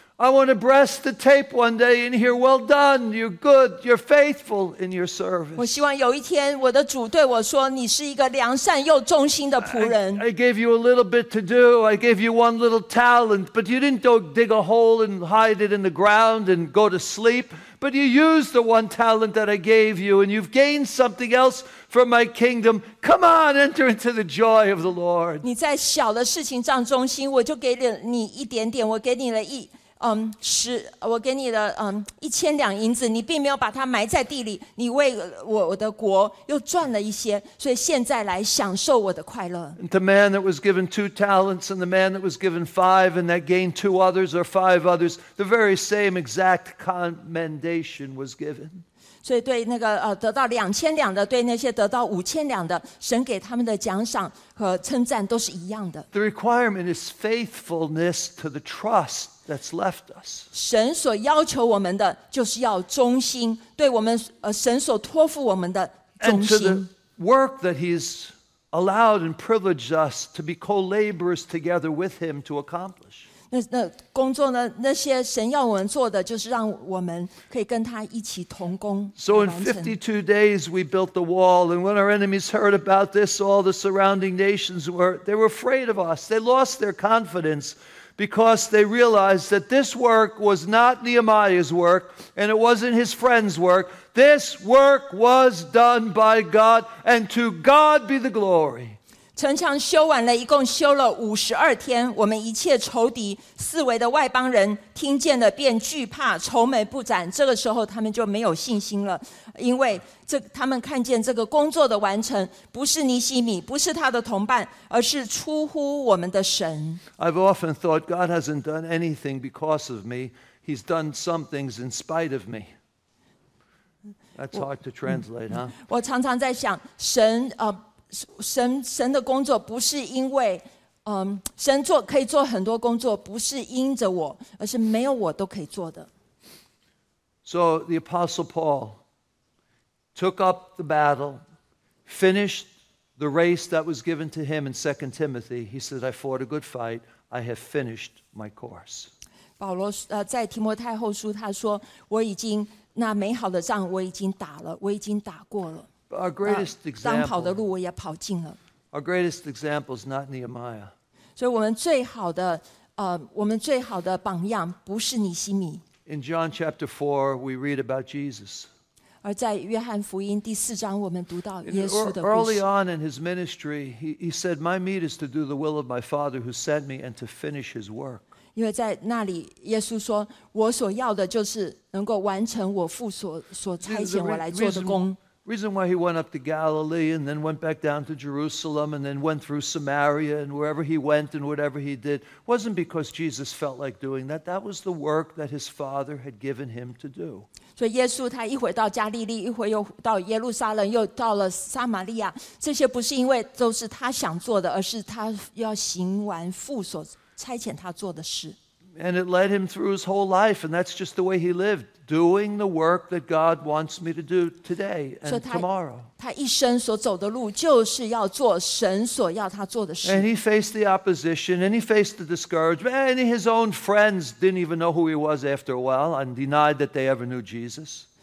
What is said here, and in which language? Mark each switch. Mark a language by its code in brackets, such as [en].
[en] I want to press the tape one day and hear, well done, you're good, you're faithful in your service. [zh] 我希望有一天我的主对我说，你是一个良善又忠心的仆人。 [en] I gave you a little bit to do. I gave you one little talent, but you didn't dig a hole and hide it in the ground and go to sleep. But you used the one talent that I gave you, and you've gained something else from my kingdom. Come on, enter into the joy of the Lord. [zh] 你在小的事情上忠心，我就给了你一点点，我给你了一我给你的一千两银子，你并没有把它埋在地里，你为我的国又赚了一些，所以现在来享受我的快乐。 [en] And the man that was given two talents, and the man that was given five, and that gained two others or five others, the very same exact commendation was given. [zh] 所以对那个得到两千两的，对那些得到五千两的，神给他们的奖赏和称赞都是一样的。 [en] The requirement is faithfulness to the trust. That's left us. [zh] 神所要求我们的就是要忠心，对我们神所托付我们的忠心。 [en] And to the work that He's allowed and privileged us to be co-laborers together with Him to accomplish. [zh] 那工作呢？那些神要我们做的，就是让我们可以跟他一起同工。 [en] So in 52 days we built the wall, and when our enemies heard about this, all the surrounding nations were afraid of us. They lost their confidence. Because they realized that this work was not Nehemiah's work, and it wasn't his friend's work. This work was done by God, and to God be the glory. [zh] 城墙修完了，一共修了五十二天。我们一切仇敌四围的外邦人听见了，便惧怕，愁眉不展。这个时候，他们就没有信心了，因为他们看见这个工作的完成，不是尼希米，不是他的同伴，而是出乎我们的神。 [en] I've often thought God hasn't done anything because of me. He's done some things in spite of me. That's hard to translate, huh? [zh] 我常常在想，神的工作不是因为神做可以做很多工作，不是因着我，而是没有我都可以做的。 [en] So the Apostle Paul. Took up the battle, finished the race that was given to him in 2 Timothy. He said, I fought a good fight. I have finished my course. [zh] 保罗在提摩太后书他说，我已经那美好的仗我已经打了，我已经打过了。 [en] Our greatest example, [zh] 当跑的路我也跑尽了。 [en] Our greatest example is not Nehemiah. [zh] 所以我们最好的我们最好的榜样不是尼希米。 [en] In John chapter 4, we read about Jesus. [zh] 而在约翰福音第四章我们读到耶稣的故事。 [en] Early on in his ministry, he said, my meat is to do the will of my Father who sent me and to finish his work. [zh] 因为在那里耶稣说我所要的就是能够完成我父所差遣我来做的工。 [en] Reason why he went up to Galilee and then went back down to Jerusalem and then went through Samaria and wherever he went and whatever he did wasn't because Jesus felt like doing that. That was the work that his father had given him to do. [zh] 所以耶稣他一会到加利利，一会又到耶路撒冷，又到了撒玛利亚，这些不是因为都是他想做的，而是他要行完父所差遣他做的事。 [en] And it led him through his whole life, and that's just the way he lived, doing the work that God wants me to do today and tomorrow. [zh] 他一生所走的路就是要做神所要他做的事。 [en] And he faced the opposition, and he faced the discouragement, and his own friends didn't even know who he was after a while and denied that they ever knew Jesus.